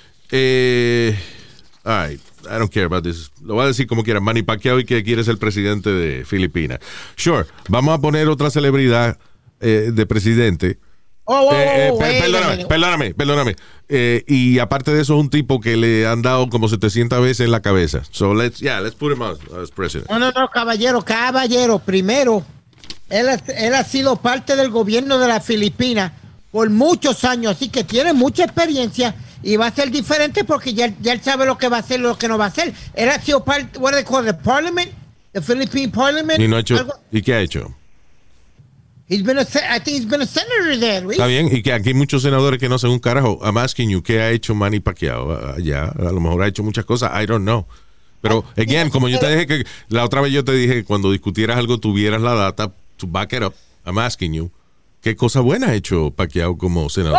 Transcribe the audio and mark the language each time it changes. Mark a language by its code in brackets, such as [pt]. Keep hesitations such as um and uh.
[en] Eh, all right, I don't care about this. [es] Lo voy a decir como quiera. Manny Pacquiao y que quieres el presidente de Filipinas. Sure, vamos a poner otra celebridad eh, de presidente. Oh, oh, eh, oh, oh eh, perdóname, perdóname, perdóname, perdóname. y aparte de eso, es un tipo que le han dado como 700 veces en la cabeza. [en] So let's, yeah, let's put him on as president. [es] No, no, no, caballero, caballero. Primero, él, él ha sido parte del gobierno de la Filipinas por muchos años, así que tiene mucha experiencia y va a ser diferente porque ya, ya él sabe lo que va a hacer y lo que no va a hacer. era ha sido parte de Parliament, [en] the Philippine Parliament. [es] ¿Y, no ha hecho, algo. ¿Y qué ha hecho? [en] He's been a, I think he's been a senator there, Luis. [es] Está bien, y que aquí hay muchos senadores que no hacen un carajo. [en] I'm asking you, [es] ¿qué ha hecho Manny Pacquiao uh, allá? Yeah, a lo mejor ha hecho muchas cosas, [en] I don't know. [es] Pero, I, again, no como yo te que, dije que la otra vez yo te dije que cuando discutieras algo tuvieras la data [en] to back it up, I'm asking you [es] qué cosa buena ha hecho Paquiao como senador.